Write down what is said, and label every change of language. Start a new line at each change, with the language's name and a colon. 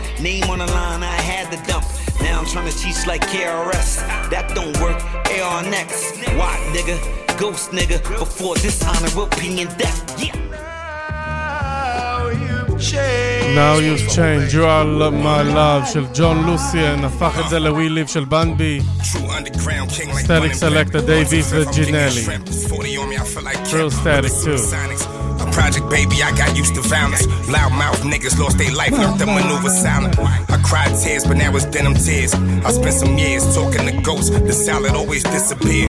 English: Name on the line, I had the dump. Now I'm trying to teach like KRS. That don't work, AR next. Why, nigga? Ghost, nigga. Before dishonor, we'll be in death. Now you've changed. Now you've changed. You are my love, של ג'ון לוסיאן.
Hebrew: הפך את זה ל-We Live של בנבי. Static Selector, Davies וג'ינלי.
English: True Static 2. Project baby, I got used to violence. Loud mouth niggas lost their life, learned to maneuver silent. I cried tears, but now it's denim tears. I spent some years talking to ghosts, the salad always disappeared.